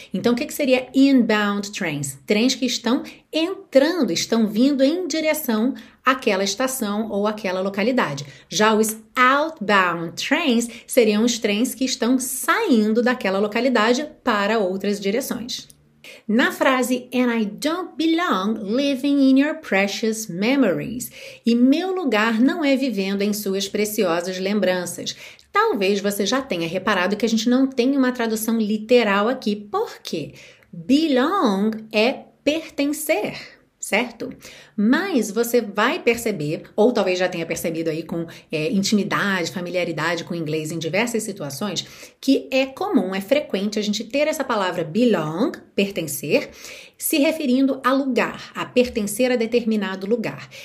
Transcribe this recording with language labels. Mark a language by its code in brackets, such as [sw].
[pt] Então, o que seria inbound trains? Trens que estão entrando, estão vindo em direção àquela estação ou àquela localidade. Já os outbound trains seriam os trens que estão saindo daquela localidade para outras direções. Na frase, [en] and I don't belong living in your precious memories. [pt] E meu lugar não é vivendo em suas preciosas lembranças. Talvez você já tenha reparado que a gente não tem uma tradução literal aqui. Por quê? Belong é pertencer, certo? Mas você vai perceber, ou talvez já tenha percebido aí com intimidade, familiaridade com o inglês em diversas situações, que é comum, é frequente a gente ter essa palavra belong, pertencer, se referindo a lugar, a pertencer a determinado lugar.